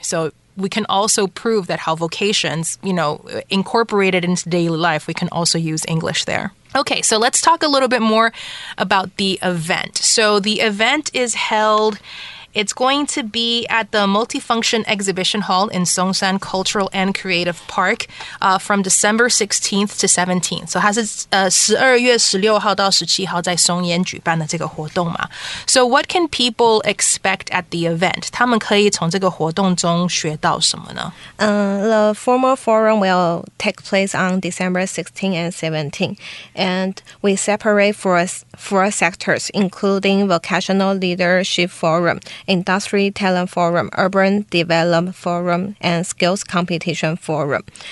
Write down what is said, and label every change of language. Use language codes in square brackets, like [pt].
[en] So we can also prove that how vocations, you know, incorporated into daily life, we can also use English there. Okay, so let's talk a little bit more about the event. So the event is held, it's going to be at the Multifunction Exhibition Hall in Songshan Cultural and Creative Park from December 16th to 17th. [zh] So 它是12月16号到17号在松烟举办的这个活动嘛。 [en] So what can people expect at the event? [zh] 他们可以从这个活动中学到什么呢？ [en] The formal forum will take place on December 16th and 17th. And we separate four sectors, including Vocational Leadership Forum,Industry Talent Forum, Urban Development Forum, and Skills Competition Forum.